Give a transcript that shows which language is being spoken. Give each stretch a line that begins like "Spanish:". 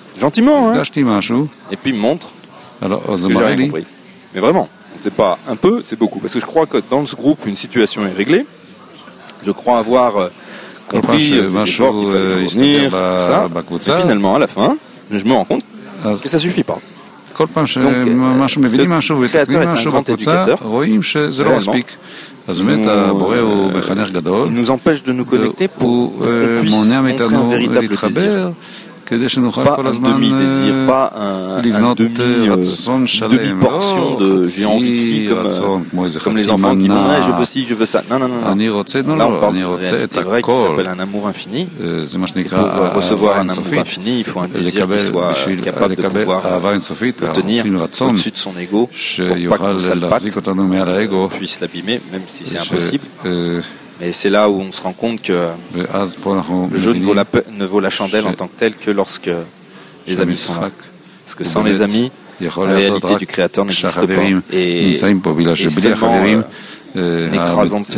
French: Gentiment, hein. Et puis montre. Alors, que j'ai rien compris. Mais vraiment, c'est pas un peu, c'est beaucoup. Parce que je crois que dans ce groupe, une situation est réglée. Je crois avoir compris l'effort qu'il fallait fournir, tout ça. Et finalement, à la fin, je me rends compte que ça suffit pas.
Hebrew: כל פעם שמשהו מבינים משהו ותקנים משהו בקבוצה, רואים שזה לא מספיק. אז באמת הבורא הוא מחנך גדול, הוא מונע מאיתנו להתחבר, כדי שנוכל כל הזמן לבנות רצון שלם, לא חצי רצון, כמו איזה חצי מנה, אני רוצה, אני רוצה את הכל. זה מה שנקרא אהבה אינסופית, לקבל אהבה אינסופית, רוצים רצון שיוכל להחזיק אותנו מעל האגו, שיוכל להחזיק אותנו מעל האגו,
French: Mais c'est là où on se rend compte que le jeu ne vaut la chandelle en tant que tel que lorsque les amis sont là. Parce que sans les amis, la réalité du Créateur n'existe pas. Et seulement l'écrasante